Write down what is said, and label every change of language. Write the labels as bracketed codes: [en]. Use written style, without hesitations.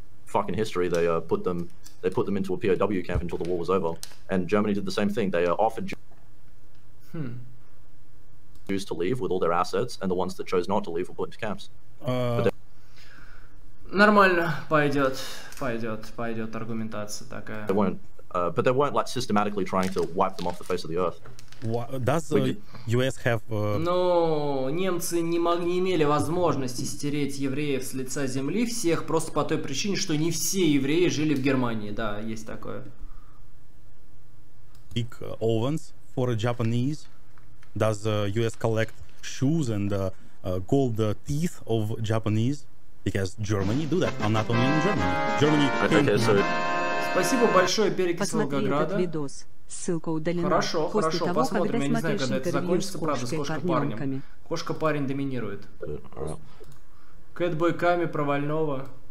[en] Fucking history, they put them into a POW camp until the war was over, and Germany did the same thing. They offered Jews to leave with all their assets, and the ones that chose not to leave were put into camps. [ru] Нормально пойдет аргументация такая. [en] They weren't, but they weren't like systematically trying to wipe them off the face of the earth. [ru] Но немцы не имели возможности стереть евреев с лица земли всех просто по той причине, что не все евреи жили в Германии. Да, есть такое. [en] Big ovens for a Japanese. Does the US collect shoes and gold teeth of Japanese? Because Germany do that. I'm not only in Germany. Germany. [ru] Спасибо большое, Перекис Волгограда. Ссылка удалена. Хорошо, после хорошо, того, посмотрим. Я не знаю, когда это закончится, правда, с кошкой-парнем. Кошка-парень доминирует. Кэтбой Ками провального.